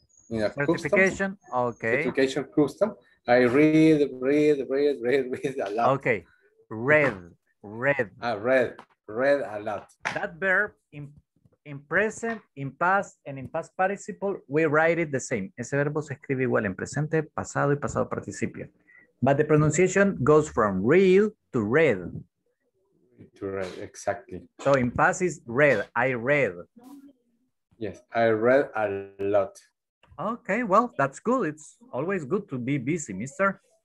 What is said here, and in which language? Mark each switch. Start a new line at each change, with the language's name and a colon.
English: Certification, custom. Okay. Certification custom. I read a lot. Okay, read. Read a lot. That verb in present, in past, and in past participle, we write it the same.
Spanish: Ese verbo se escribe igual en presente, pasado, y pasado participio.
English: But the pronunciation goes from read to read. To read, exactly. So in past is read, I read. Yes, I read a lot. Okay, well, that's good. It's always good to be busy, mister.